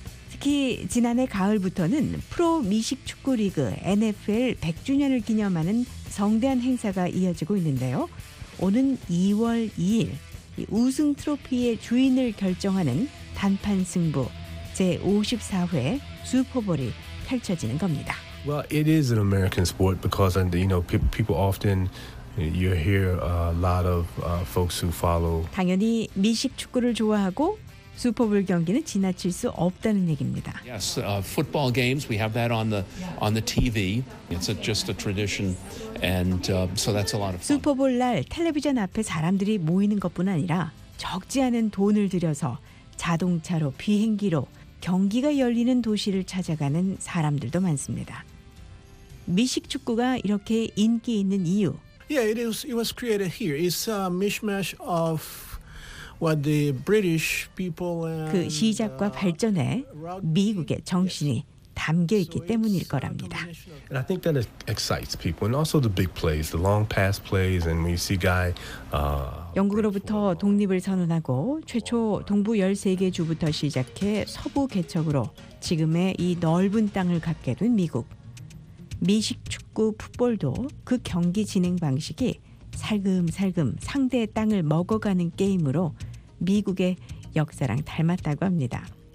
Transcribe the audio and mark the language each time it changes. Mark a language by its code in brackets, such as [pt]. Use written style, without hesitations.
[ko] 특히 지난해 가을부터는 프로 미식 축구 리그 NFL 100주년을 기념하는 성대한 행사가 이어지고 있는데요. 오는 2월 2일 우승 트로피의 주인을 결정하는 단판 승부 제54회 슈퍼볼이 펼쳐지는 겁니다. [en] Well, it is an American sport because you know people often you hear a lot of folks who follow [ko] 당연히 미식 축구를 좋아하고 슈퍼볼 경기는 지나칠 수 없다는 얘기입니다. [en] Yes, football games we have that on the TV. It's just a tradition and so that's a lot of fun. [ko] 슈퍼볼 날 텔레비전 앞에 사람들이 모이는 것뿐 아니라 적지 않은 돈을 들여서 자동차로 비행기로 경기가 열리는 도시를 찾아가는 사람들도 많습니다. 미식 축구가 이렇게 인기 있는 이유. [en] Yeah, it was created here. It's a mishmash of what the British people and [ko] 그 시작과 발전에 미국의 정신이 담겨 있기 때문일 거랍니다. [en] And I think that it excites people and also the big plays, the long pass plays and we see guy [ko] 영국으로부터 독립을 선언하고 최초 동부 13개 주부터 시작해 서부 개척으로 지금의 이 넓은 땅을 갖게 된 미국. 미식 축구 풋볼도 그 경기 진행 방식이 살금살금 상대의 땅을 먹어가는 게임으로 미국의 역사랑 닮았다고 합니다.